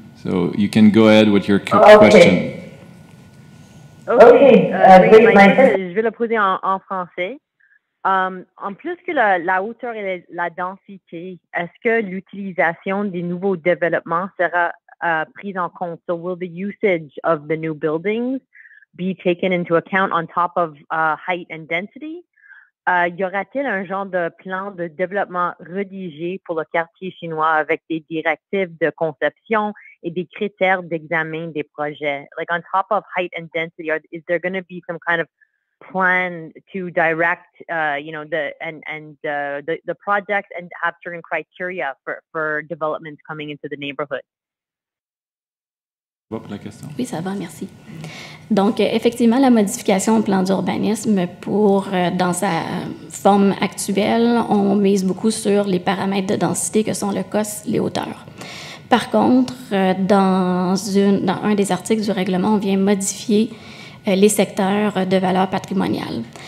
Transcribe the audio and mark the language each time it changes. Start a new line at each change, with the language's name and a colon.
English: So you can go ahead with your question.
French: Je vais le poser en français. En plus que la hauteur et la densité, est-ce que l'utilisation des nouveaux développements sera prise en compte?
English: So will the usage of the new buildings be taken into account on top of height and density?
French: Y aura-t-il un genre de plan de développement rédigé pour le quartier chinois avec des directives de conception et des critères d'examen des projets?
English: Like on top of height and density, is there going to be some kind of plan to direct, the projects and have certain criteria for developments coming into the neighborhood?
French: Pour la question. Oui, ça va, merci. Donc, effectivement, la modification au plan d'urbanisme pour, dans sa forme actuelle, on mise beaucoup sur les paramètres de densité que sont le COS, les hauteurs. Par contre, dans un des articles du règlement, on vient modifier les secteurs de valeur patrimoniale.